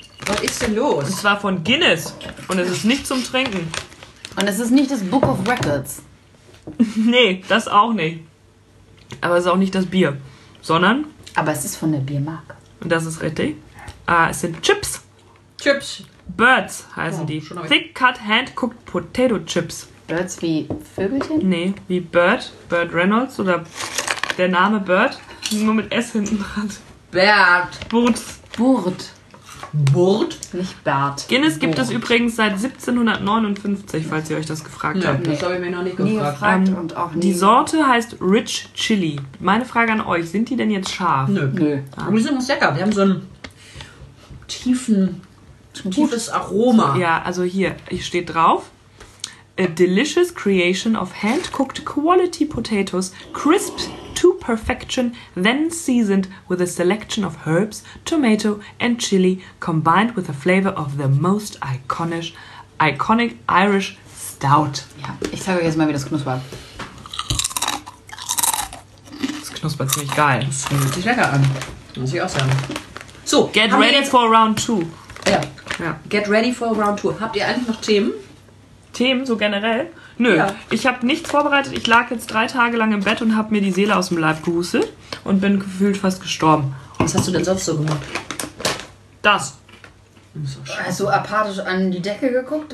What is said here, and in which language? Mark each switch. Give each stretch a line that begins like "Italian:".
German: Was ist denn los? Und zwar von Guinness. Und es ist nicht zum Trinken. Und es ist nicht das Book of Records. Nee, das auch nicht. Aber es ist auch nicht das Bier. Sondern? Aber es ist von der Biermarke. Und das ist richtig. Es sind Chips. Chips. Birds heißen die.
English: Thick-cut hand-cooked potato chips.
German: Birds wie Vögelchen? Nee, wie Bird. Bird Reynolds oder der Name Bird. Nur mit S hinten dran. Bird. Boots. Burt. Burt? Nicht Bert. Guinness gibt es übrigens seit 1759, falls ihr euch das gefragt habt. Das habe ich mir noch nicht gefragt. Nie gefragt und auch nie. Die Sorte heißt Rich Chili. Meine Frage an euch, sind die denn jetzt scharf? Nö. Aber die sind ganz lecker. Wir haben so einen tiefes Aroma. Ja, also hier steht drauf.
English: A delicious creation of hand-cooked quality potatoes, crisped to perfection, then seasoned with a selection of herbs, tomato and chili, combined with the flavor of the most iconic Irish stout.
German: Ja, ich zeige euch jetzt mal, wie das knuspert. Das knuspert ziemlich geil. Das fühlt sich lecker an. Muss ich auch sagen.
English: So, get ready for round two.
German: Ja.
English: Get ready for round two.
German: Habt ihr eigentlich noch Themen? Themen so generell? Nö, ich habe nichts vorbereitet. Ich lag jetzt 3 Tage lang im Bett und habe mir die Seele aus dem Leib gehustet und bin gefühlt fast gestorben. Was hast du denn sonst so gemacht? Das. Hast du apathisch an die Decke geguckt?